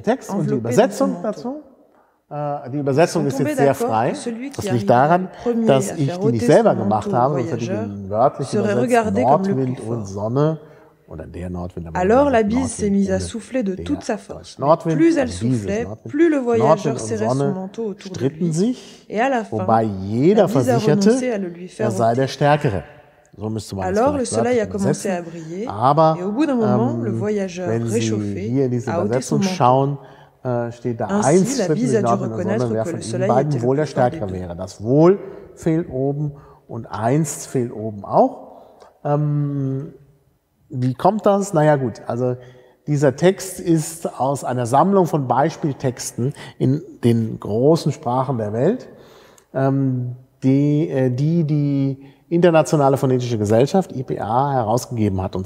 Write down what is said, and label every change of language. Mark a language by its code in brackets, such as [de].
[de] Text und die Übersetzung dazu. Die Übersetzung ist jetzt sehr frei. Das liegt daran, dass ich die nicht selber gemacht habe, sondern für die wörtliche Übersetzung Nordwind und Sonne [fr] Alors la bise s'est mise à souffler de toute sa force. Mais plus elle soufflait, plus le voyageur serrait son manteau autour de lui. Et à la fin, la bise a renoncé à le lui faire rentrer. Alors le soleil a commencé à briller, et au bout d'un moment, le voyageur réchauffé a ôté son manteau. [de] Steht da eins zwischen den Nord und der Sonne, wer von den beiden wohl der Stärkere wäre. Das Wohl fehlt oben und eins fehlt oben auch. Wie kommt das? Naja gut, also dieser Text ist aus einer Sammlung von Beispieltexten in den großen Sprachen der Welt, die Internationale Phonetische Gesellschaft, IPA, herausgegeben hat.